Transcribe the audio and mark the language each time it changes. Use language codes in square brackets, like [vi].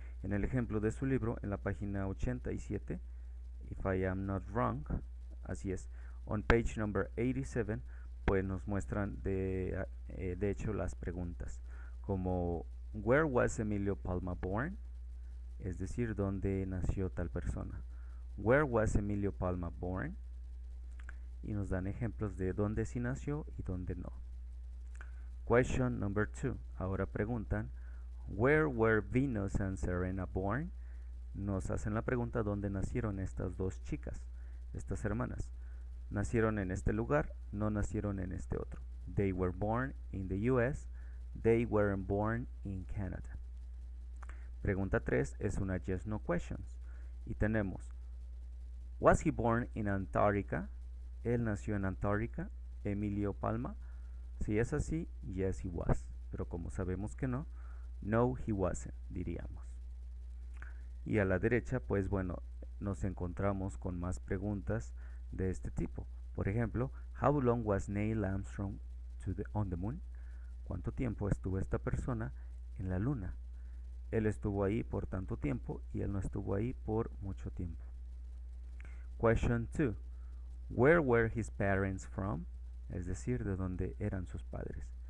[es] En el ejemplo de su libro, en la página 87, [en] If I am not wrong, [es] así es. [en] On page number 87, [es] pues nos muestran de hecho las preguntas, como [en] Where was Emilio Palma born? [es] Es decir, ¿dónde nació tal persona? [en] Where was Emilio Palma born? [es] Y nos dan ejemplos de dónde sí nació y dónde no. [en] Question number 2. [es] Ahora preguntan, [en] Where were Venus and Serena born? [es] Nos hacen la pregunta, ¿dónde nacieron estas dos chicas, estas hermanas? Nacieron en este lugar, no nacieron en este otro. [en] They were born in the US, they weren't born in Canada. [es] Pregunta 3 es una [en] yes no questions. [es] Y tenemos, [en] Was he born in Antarctica? [es] Él nació en Antarctica, Emilio Palma. Si es así, [en] yes he was. [es] Pero como sabemos que no, [en] no he wasn't, [es] diríamos. Y a la derecha, pues bueno, nos encontramos con más preguntas de este tipo. Por ejemplo, [en] How long was Neil Armstrong on the moon? [es] ¿Cuánto tiempo estuvo esta persona en la luna? Él estuvo ahí por tanto tiempo y él no estuvo ahí por mucho tiempo. [en] Question 2. Where were his parents from? [es] Es decir, ¿de dónde eran sus padres?